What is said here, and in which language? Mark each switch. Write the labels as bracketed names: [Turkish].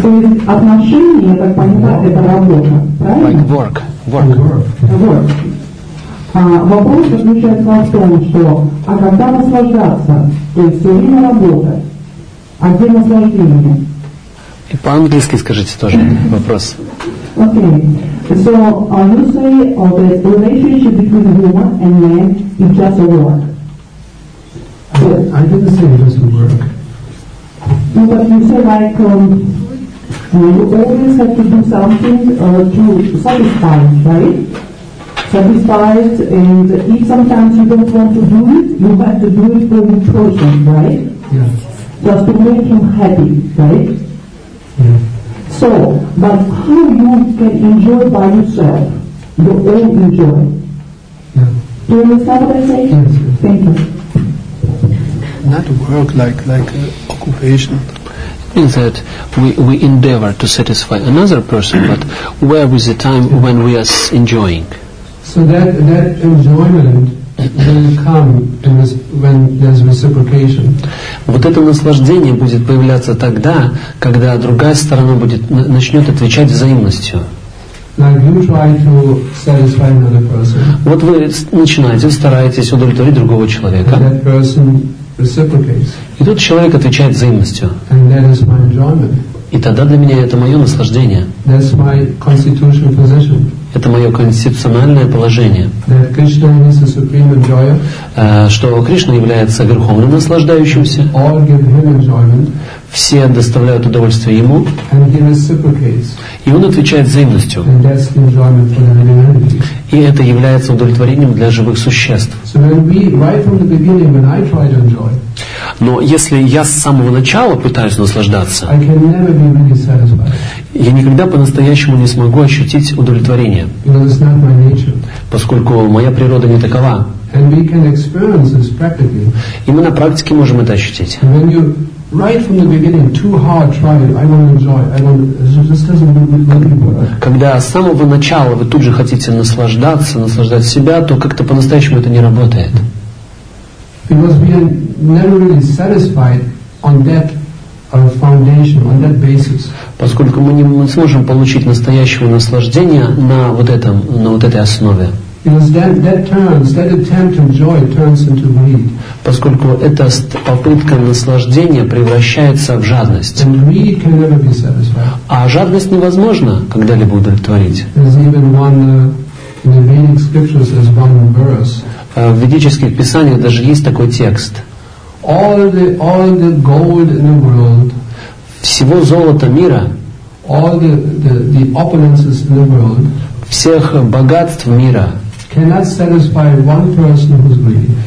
[Russian] То есть отношения, я так понимаю, это работа, правильно? [English] Like work. Work. Work. [Russian] Вопрос заключается в том, что а когда наслаждаться? То есть все время работа. А где наслаждение? И по-английски скажите тоже вопрос. [English] Okay. So you say that the relationship between a woman and man is just a work. I didn't say it was a work. No, but you say like you always have to do something to satisfy, right? Satisfied, and if sometimes you don't want to do it, you have to do it for the person, right? Yes. Just to make him happy, right? Yes. So, but how you can enjoy by yourself, your own enjoy? Yes. Do you understand what I say? Yes. Thank you. Not work like occupation. It means that we endeavor to satisfy another person, but where is the time when we are enjoying? So that enjoyment will come when there's reciprocation. [Russian] Вот это наслаждение будет появляться тогда, когда другая сторона будет начнет отвечать взаимностью. [English] Like you try to satisfy another person. [Russian] Вот вы начинаете, стараетесь удовлетворить другого человека. [English] And that person reciprocates. [Russian] И тут человек отвечает взаимностью. [English] And that is my enjoyment. [Russian] И тогда для меня это мое наслаждение. [English] That's my constitutional position. [Russian] Это мое конституциональное положение. [English] That Krishna is the supreme enjoyer. [Russian] Что Кришна является верховным наслаждающимся. [English] All give him enjoyment. [Russian] Все доставляют удовольствие ему. [English] And he reciprocates. [Russian] И он отвечает взаимностью. [English] And that's enjoyment for the living entities. [Russian] И это является удовлетворением для живых существ. [English] So when we, right from the beginning, when I try to enjoy, [Russian] но если я с самого начала пытаюсь наслаждаться, [English] I can never be really satisfied. [Russian] Я никогда по-настоящему не смогу ощутить удовлетворение, [English] because it's not my nature. [Russian] Поскольку моя природа не такова. [English] And we can experience this practically. [Russian] И мы на практике можем это ощутить. [English] When you, right from the beginning, too hard try it, I won't enjoy, I won't, it just doesn't really work. [Russian] Когда с самого начала вы тут же хотите наслаждаться, наслаждать себя, то как-то по-настоящему это не работает. [English] Because we are never really satisfied on that foundation, on that basis. [Russian] Поскольку мы не сможем получить настоящего наслаждения на вот этом, на вот этой основе. [English] Because that turns, that attempt to enjoy turns into greed. [Russian] Поскольку эта попытка наслаждения превращается в жадность. [English] And greed can never be satisfied. [Russian] А жадность невозможно когда-либо удовлетворить. [English] Even one, in the Vedic scriptures, there's one verse. [Russian] В ведических писаниях даже есть такой текст. [English] All the gold in the world, [Russian] всего золота мира, [English] all the opulences in the world, [Russian] всех богатств мира, [English] cannot satisfy one person who's greedy.